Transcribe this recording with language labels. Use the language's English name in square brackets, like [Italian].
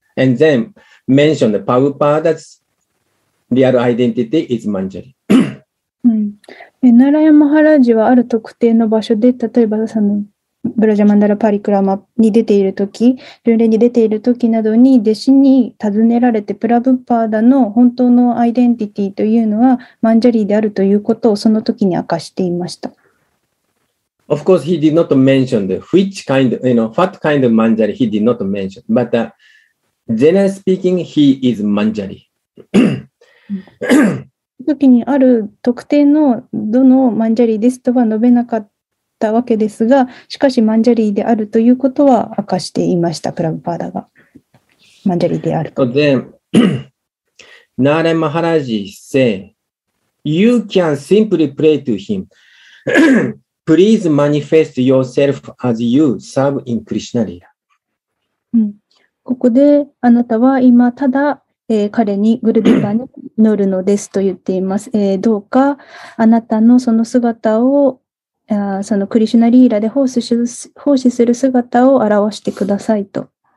[English] And then mention the Prabhupada's real identity is Manjari. [Japanese] ナラヤマハラジはある特定の場所で、例えばそのブラジャマンダラパリクラマに出ているとき、巡礼に出ているときなどに弟子に尋ねられて、プラブパーダの本当のアイデンティティというのはマンジャリであるということをその時に明かしていました。 [English] Of course, he did not mention which kind, you know, what kind of manjari he did not mention. But generally speaking, he is manjari. [Japanese] 時にある特定のどのマンジャリですとは述べなかったわけですが、しかしマンジャリであるということは明かしていました、プラブパーダが。マンジャリであると。 [English] So、then, Nara Maharaj said, you can simply pray to him. Please manifest yourself as you serve in Krishna Lila.、 [Japanese] ここであなたは今ただ、彼にグルデーバに乗るのですと言っています。どうかあなたのその姿をそのクリシュナリーラで奉仕する姿を表してくださいと。